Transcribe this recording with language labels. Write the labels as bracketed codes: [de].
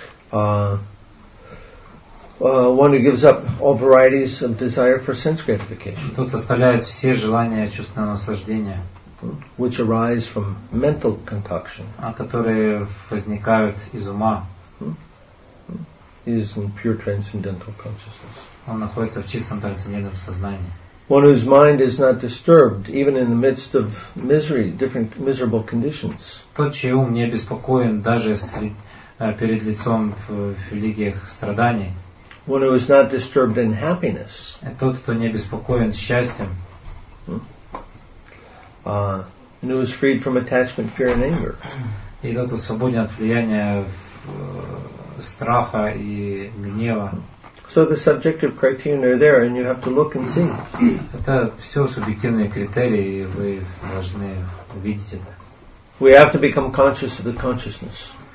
[en] One who gives up all varieties of desire for sense gratification. [ru] Тот оставляет все желания чувственного наслаждения. [en] Which arise from mental concoction. [ru] А которые возникают из ума. [en] Is in pure transcendental consciousness. [ru] Он находится в чистом трансцендентном сознании. [en] One whose mind is not disturbed even in the midst of misery, different miserable conditions. [ru] Тот, чей ум не беспокоен даже перед лицом великих страданий. [en] One who is not disturbed in happiness. [ru] Тот, кто не беспокоен счастьем. [en] And who is freed from attachment, fear, and anger. [ru] И тот, кто свободен от влияния страха и гнева. [en] So the subjective criteria are there, and you have to look and see. [ru] Это все субъективные критерии, и вы должны увидеть это. [en] We have to become conscious of the consciousness.